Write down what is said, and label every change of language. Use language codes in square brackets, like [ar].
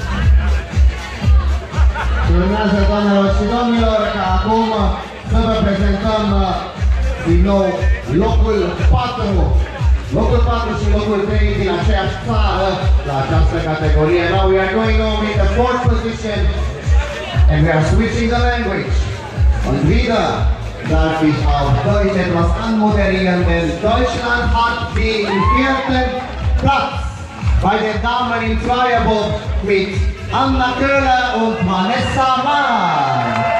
[ro] Felicitări! Urmează, doamnelor și domnilor, ca acum să vă prezentăm din nou locul 4. Locul 4 și locul 3 din aceeași țară la această categorie. [en] Now we are going on with the fourth position and we are switching the language. [de] Und wieder darf ich auf Deutsch etwas anmoderieren, denn Deutschland hat den vierten Platz bei den Damen im Zweierbob mit Anna Köhler und Vanessa Mark.